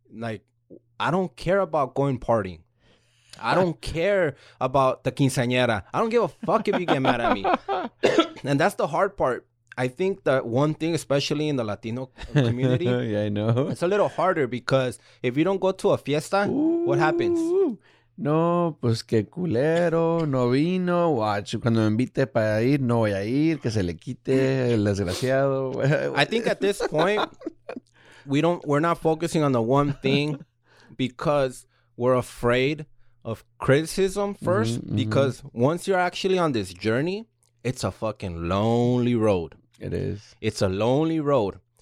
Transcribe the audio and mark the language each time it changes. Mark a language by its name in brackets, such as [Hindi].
[English] Like, I don't care about going partying. I don't care about the quinceañera. I don't give a fuck if you get mad at me. And that's the hard part. I think that one thing, especially in the Latino community. Yeah, I know. It's a little harder because if you don't go to a fiesta, what happens? [Spanish] No, pues que culero, no vino, [English] watch, [Spanish] cuando me invite para ir, no voy a ir, que se le quite, el desgraciado. [English] I think at this point, we're not focusing on the one thing because we're afraid of criticism first. Mm-hmm, because once you're actually on this journey, it's a fucking lonely road. It is. It's a lonely road.